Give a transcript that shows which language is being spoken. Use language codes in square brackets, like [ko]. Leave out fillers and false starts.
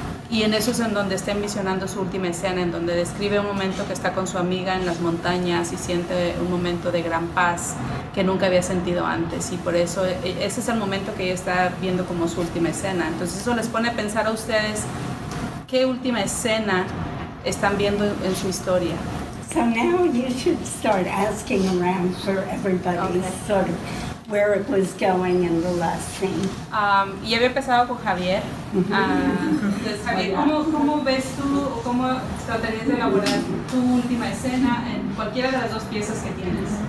[es] Y en eso es en donde está envisionando su última escena, en donde describe un momento que está con su amiga en las montañas y siente un momento de gran paz que nunca había sentido antes. Y por eso, ese es el momento que ella está viendo como su última escena. Entonces, eso les pone a pensar a ustedes, ¿qué última escena están viendo en su historia? [en] So now you should start asking around for everybody, sort of where it was going in the last scene. [es] Y había empezado con Javier. Entonces, Javier, ¿cómo ves tú, cómo tratarías de elaborar tu última escena en cualquiera de las dos piezas que tienes?